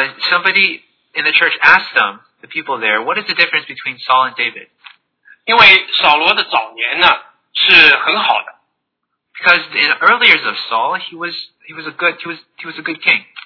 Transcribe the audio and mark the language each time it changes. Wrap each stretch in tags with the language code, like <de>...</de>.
<en>Somebody in the church asked them, the people there, what is the difference between Saul and David?</en> <zh>因为扫罗的早年呢是很好的。</zh> <en>Because in the early years of Saul, he was a good king.</en>